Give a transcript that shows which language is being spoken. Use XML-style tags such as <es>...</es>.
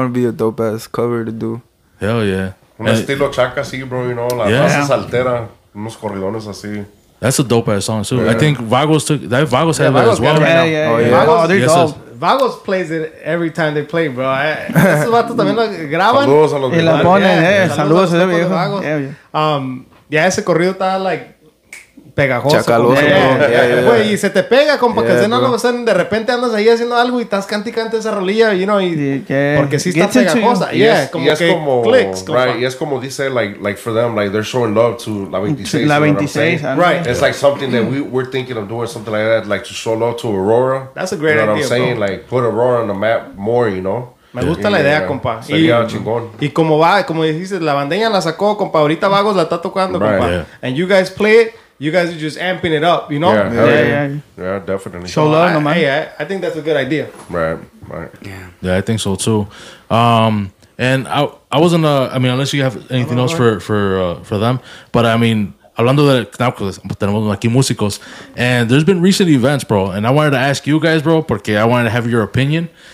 <en>would be a dope ass cover to do. Hell yeah.</en> <es>Un estilo chaca así, bro,</es> <en>you know,</en> <es>la raza saltera, unos corridones así.</es> <en>That's a dope ass song too. Yeah. I think Vagos had that as well. Vagos plays it every time they play, bro.</en> <es>Esos vatos también lo graban. Saludos a los viejos. Y la ponen, saludos a los viejos. Ya ese corrido está, like, pegajoso. Chacaloso, güey. Güey, y se te pega, compa, que no lo están. De repente andas ahí haciendo algo y estás canticante esa rolilla,</es> <en>you know,</en> <es>porque sí está pegajosa. Como que clicks, compa.</es> <en>Right,</en> <es>y es como dice,</es> <en>like for them, like, they're showing love to La 26.</en> <es>La 26,</es> <en>right. It's like something that we're thinking of doing, something like that, like to show love to Aurora. That's a great idea, you know what I'm saying? Bro. Like, put Aurora on the map more, you know?</en> <es>Me gusta la idea, compa. Sería chingón. Y como va, como dijiste, La Bandeña la sacó, compa. Ahorita Vagos la está tocando, compa.</es> <en>Right, yeah. And you guys play it, you guys are just amping it up, you know? Yeah, definitely. Show love, no man. I think that's a good idea. Right. Yeah, I think so too. And I wasn't, unless you have anything else for them, but I mean,</en> <es>hablando de Knapkos, tenemos aquí músicos,</es> <en>and there's been recent events, bro, and I wanted to ask you guys, bro, porque I wanted to have your opinion.</en>